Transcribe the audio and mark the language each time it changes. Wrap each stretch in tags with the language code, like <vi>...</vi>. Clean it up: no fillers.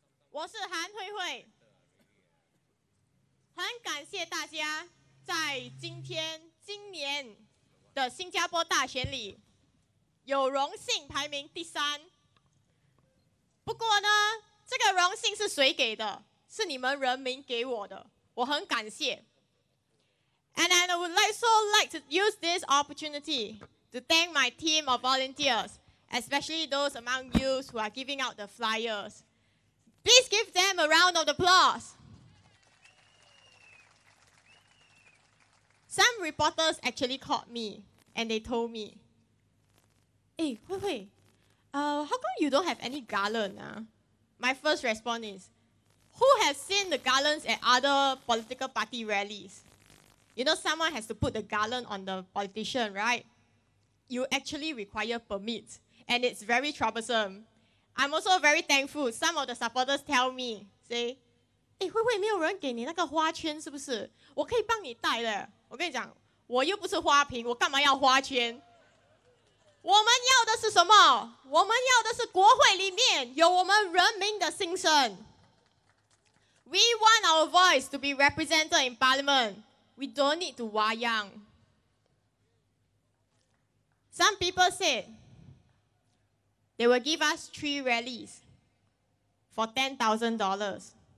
<zh>我是韩慧慧，很感谢大家在今天今年的新加坡大选里有荣幸排名第三。不过呢，这个荣幸是谁给的？是你们人民给我的，我很感谢。</zh> <en>And I would also like to use this opportunity to thank my team of volunteers, especially those among you who are giving out the flyers. Please give them a round of applause. Some reporters actually called me and they told me, "Hey, Hui Hui, how come you don't have any garland?" My first response is, "Who has seen the garlands at other political party rallies?" You know, someone has to put the garland on the politician, right? You actually require permits, and it's very troublesome. I'm also very thankful. Some of the supporters tell me, say, "Hey, Hui Hui, 没有人给你那个花圈是不是？</en> <zh>我可以帮你带的。我跟你讲，我又不是花瓶，我干嘛要花圈？我们要的是什么？我们要的是国会里面有我们人民的心声。</zh> <en>We want our voice to be represented in Parliament. We don't need to wayang." Some people said they will give us 3 rallies for $10,000.</en>